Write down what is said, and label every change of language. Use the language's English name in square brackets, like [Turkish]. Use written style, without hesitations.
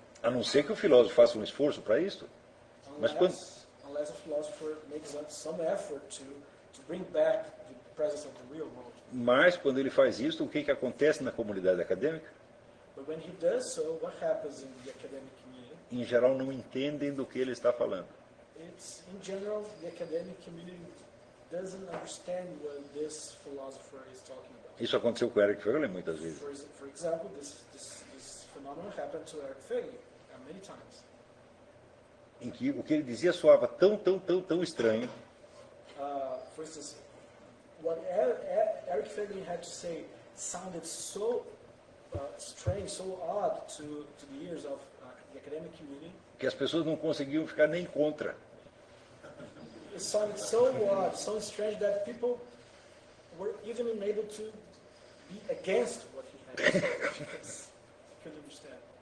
[Portuguese] A não ser que o filósofo faça um esforço para isso. [English] Unless a philosopher makes some effort to bring back the presence of the real world. [Portuguese] Mas quando ele faz isso, o que acontece na comunidade acadêmica? [English] But when he does so, what happens in the academic community? [Portuguese] Em geral, não entendem do que ele está falando. [English] It's in general the academic community doesn't understand what this philosopher is talking about. [Portuguese] Isso aconteceu com Erich Fegeli muitas vezes. [English] For example, this phenomenon happened to Erich Fegeli many times. [Portuguese] Em que o que ele dizia soava tão estranho. [English] For instance, what Erich Fegeli had to say sounded so strange, so odd to the ears of the academic community. [Portuguese] Que as pessoas não conseguiam ficar nem contra. [English] It sounded so odd, so strange that people were even unable to be against what he had to say. Because couldn't understand.